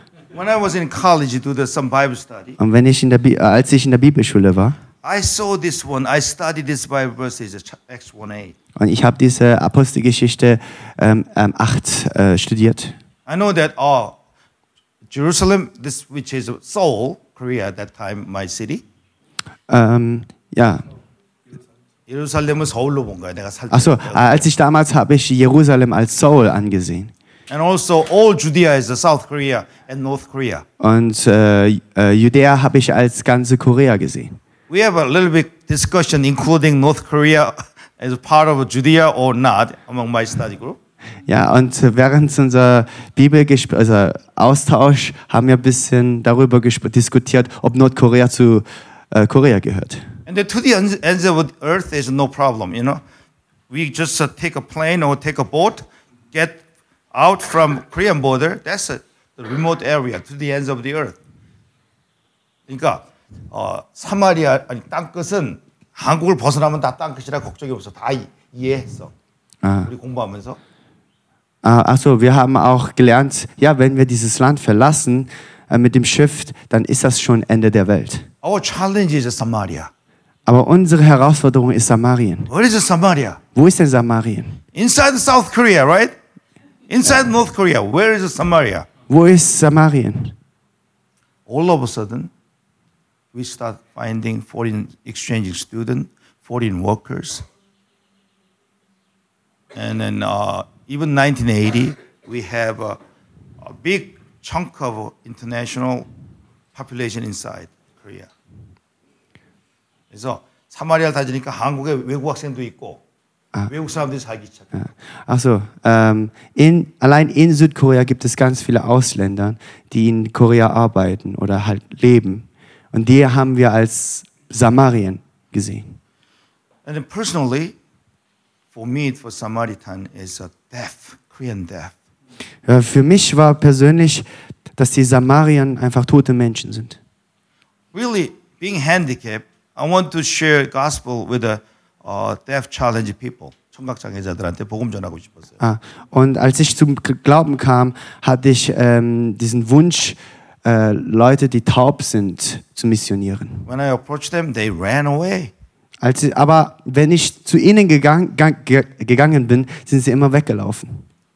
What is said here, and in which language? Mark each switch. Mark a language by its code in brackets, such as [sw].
[en] When I was in college to do some Bible study. [de] Und wenn ich als ich in der Bibelschule war. [en] I saw this one. I studied this Bible verse in Acts 1:8. [de] Und ich habe diese Apostelgeschichte 8 studiert. [en] I know that Jerusalem, this which is Seoul, Korea at that time, my city. Yeah. [de] Jerusalem ist [ko] Seoul로 본 거야. 내가 살 때. [de] 아서 als ich damals habe ich Jerusalem als Seoul angesehen. [en] And also all Judea is South Korea and North Korea. [de] Und Judäa habe ich als ganze Korea gesehen. [en] We have a little bit discussion including North Korea as part of Judea or not among my study group. [de] Ja, und während unser Bibelgespräch, also Austausch, haben wir ein bisschen darüber diskutiert, ob Nordkorea zu Korea gehört. [en] And to the ends of the earth is no problem, you know. We just take a plane or take a boat, get out from Korean border, that's the remote area, to the ends of the earth. [ko] 그러니까 사마리아, 아니 땅끝은 한국을 벗어나면 다 땅끝이라 걱정이 없어. 다 이해했어. 우리 공부하면서. [de] Also wir haben auch gelernt, ja, wenn wir dieses Land verlassen mit dem Schiff, dann ist das schon Ende der Welt. [en] Our challenge is Samaria. [de] Aber unsere Herausforderung ist Samarien. [en] What is Samaria? [de] Wo ist denn Samarien? [en] Inside South Korea, right? Inside North Korea. Where is Samaria? [de] Wo ist Samarien? [en] All of a sudden, we start finding foreign exchange students, foreign workers, and then. Even 1980, we have a big chunk of international population inside Korea. [ko] 그래서 사마리아 다지니까 한국에 외국 학생도 있고 외국 사람들이 살기 시작. [de] Also allein in Südkorea gibt es ganz viele Ausländer, die in Korea arbeiten oder halt leben, und die haben wir als Samarien gesehen. [en] And personally, for me, for Samaritan is a death, Korean death. [de] Für mich war persönlich, dass die Samarien einfach tote Menschen sind. [en] Really, being handicapped, I want to share gospel with the deaf challenge people. [ko] 청각장애자들한테 복음 전하고 싶었어요. [de] Und als ich zum Glauben kam, hatte ich diesen Wunsch, Leute, die taub sind, zu missionieren. [en] When I approached them, they ran away. [de] Aber wenn ich zu ihnen gegangen bin, sind sie immer weggelaufen.